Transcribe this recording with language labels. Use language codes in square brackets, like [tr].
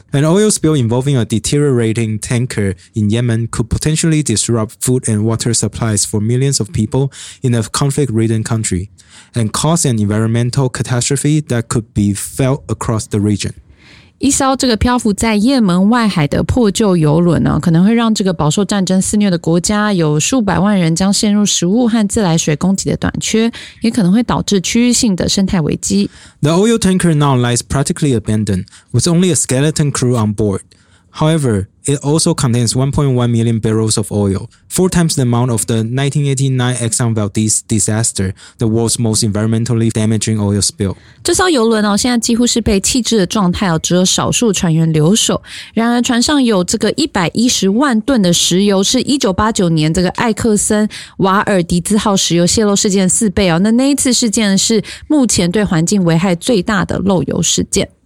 [en] An oil spill involving a deteriorating tanker in Yemen could potentially disrupt food and water supplies for millions of people in a conflict-ridden country. And cause an environmental catastrophe that could be felt across the region. [zh] 一艘这个漂浮在也门外海的破旧游轮呢，可能会让这个饱受战争肆虐的国家有数百万人将陷入食物和自来水供给的短缺，也可能会导致区域性的生态危机。 [en] The oil tanker now lies practically abandoned, with only a skeleton crew on board. However, it also contains 1.1 million barrels of oil. Four times the amount of the 1989 Exxon Valdez disaster, the world's most environmentally damaging oil spill. [zh] 这艘游轮哦，现在几乎是被弃置的状态哦，只有少数船员留守。然而，船上有这个110万吨的石油，是1989年这个埃克森瓦尔迪兹号石油泄漏事件四倍哦。那一次事件是目前对环境危害最大的漏油事件。